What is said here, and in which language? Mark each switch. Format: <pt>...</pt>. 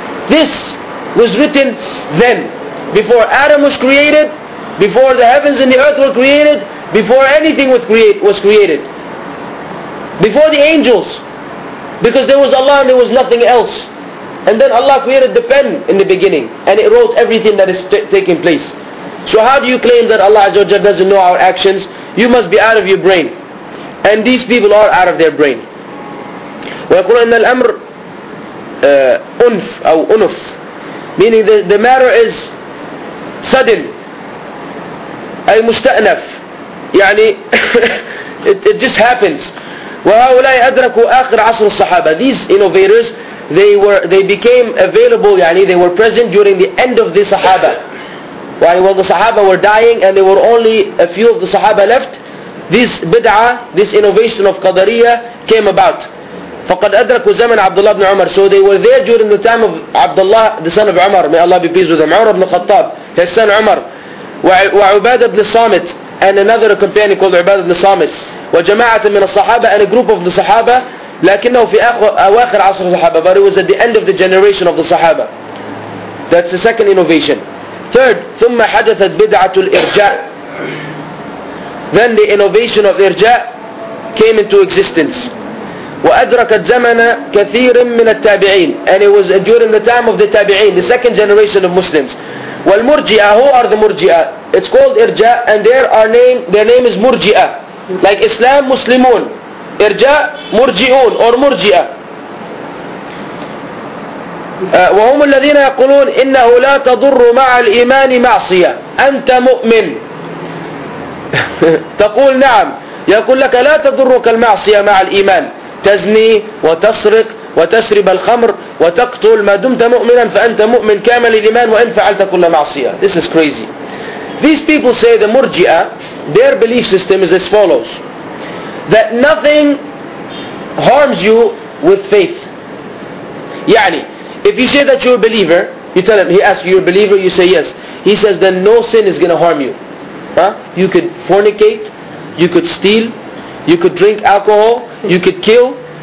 <en>This was written then. Before Adam was created, before the heavens and the earth were created, before anything was created. Before the angels. Because there was Allah and there was nothing else. And then Allah created the pen in the beginning, and it wrote everything that is taking place. So how do you claim that Allah Azza wa Jalla doesn't know our actions? You must be out of your brain. And these people are out of their brain.</en> <ar>وَيَقُولَ إِنَّ الْأَمْرُ أُنْفْ أَوْ أُنُفْ,</ar> <en>meaning the matter is sudden.</en> <ar>أي مستأنف. يعني</ar> <en>it just happens.</en> <ar>وَهَؤُلَاءِ أَدْرَكُوا آخِرَ عَصْرِ الصَّحَابَةِ.</ar> <en>These innovators, they became available,</en> <ar>يعني</ar> <en>they were present during the end of the Sahaba. While the Sahaba were dying and there were only a few of the Sahaba left, this bid'ah, this innovation of Qadariya came about.</en> <ar>فَقَدْ أَدْرَكُوا زَمَنَ عَبْدُ اللَّهِ بْنِ عُمَرَ.</ar> <en>So they were there during the time of Abdullah, the son of Umar, may Allah be pleased with him, Umar ibn Khattab, his son Umar, وَعُبَادَ ibn Samit, and another companion called Ubad ibn Samit,</en> <ar>وجماعة من الصحابة,</ar> <en>and a group of the Sahaba,</en> <ar>لكنه في أواخر عصر الصحابة.</ar> <en>But it was at the end of the generation of the صحابة. That's the second innovation. Third,</en> <ar>ثم حدثت بدعة الإرجاء.</ar> <en>Then the innovation of إرجاء came into existence.</en> <ar>وأدركت زمن كثير من التابعين.</ar> <en>And it was during the time of the تابعين, the second generation of Muslims. والمرجئة, who are the مرجئة? It's called إرجاء, and their name is مرجئة. Like Islam, Muslimun.</en> <ar>إرجاء, مرجئون or مرجئة. وهم الذين يقولون إنه لا تضر مع الإيمان معصية. أنت مؤمن. تقول نعم. يقول لك لا تضرك المعصية مع الإيمان. تزني وتسرق وتشرب الخمر وتقتل. ما دمت مؤمنا فأنت مؤمن كامل الإيمان وإن فعلت كل معصية.</ar> <en>This is crazy. These people say the murji'a, their belief system is as follows. That nothing harms you with faith.</en> <ar>يعني</ar> <en>if you say that you're a believer, you tell him, he asks you, you're a believer, you say yes. He says then no sin is going to harm you. Huh? You could fornicate, you could steal, you could drink alcohol, you could kill.</en>